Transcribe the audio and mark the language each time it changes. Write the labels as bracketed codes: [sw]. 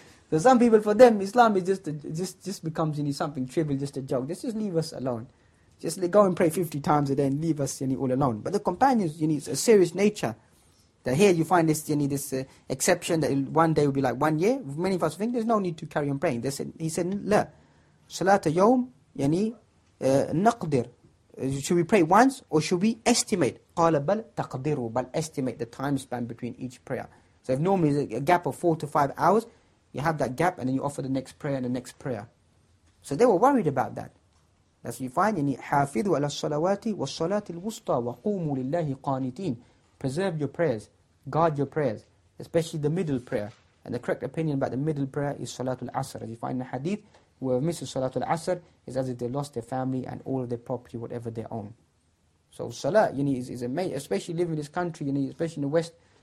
[en] So some people, for them, Islam is just becomes, you know, something trivial, just a joke. Just leave us alone. Just go and pray 50 times a day and leave us, you know, all alone. But the companions, you know, it's a serious nature. That here you find this, you know, this exception that one day will be like 1 year. Many of us think there's no need to carry on praying. [ar] He said, لا صلاة يوم يعني نقدر. [en] Should we pray once or should we estimate? [ar] قال بل تقدروا. [en] بل estimate the time span between each prayer. So if normally there's a gap of 4 to 5 hours, you have that gap and then you offer the next prayer and the next prayer. So they were worried about that. That's what you find. [ar] يعني حافظوا على الصلوات والصلاة الوسطى وقوموا لله قانتين. [en] Preserve your prayers, guard your prayers, especially the middle prayer. And the correct opinion about the middle prayer is Salatul Asr. As you find in the hadith, whoever misses Salatul Asr is as if they lost their family and all of their property, whatever they own. So Salah, you know, is amazing, especially living in this country, you know, especially in the West.